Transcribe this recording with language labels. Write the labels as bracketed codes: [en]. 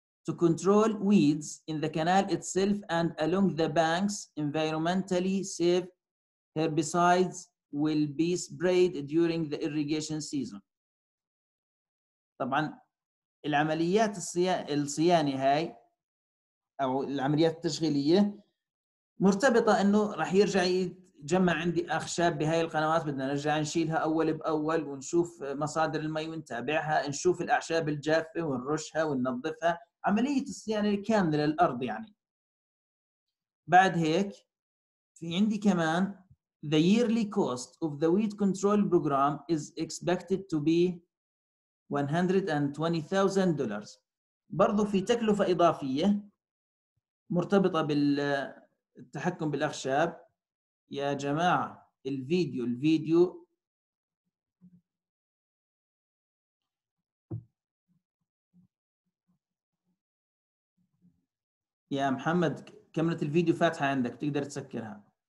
[en] To control weeds in the canal itself and along the banks, environmentally safe herbicides will be sprayed during the irrigation season. [ar] طبعا العمليات الصيانة هاي أو العمليات التشغيلية مرتبطة إنه رح يرجع يتجمع عندي أخشاب بهاي القنوات، بدنا نرجع نشيلها أول بأول ونشوف مصادر المي ونتابعها، نشوف الأعشاب الجافة ونرشها وننظفها، عملية الصيانة كاملة للأرض يعني. بعد هيك في عندي كمان [en] The yearly cost of the weed control program is expected to be $120,000. [ar] برضو في تكلفة إضافية مرتبطة بالتحكم بالأخشاب. يا جماعة الفيديو يا محمد كاميرا الفيديو فاتحة عندك تقدر تسكرها.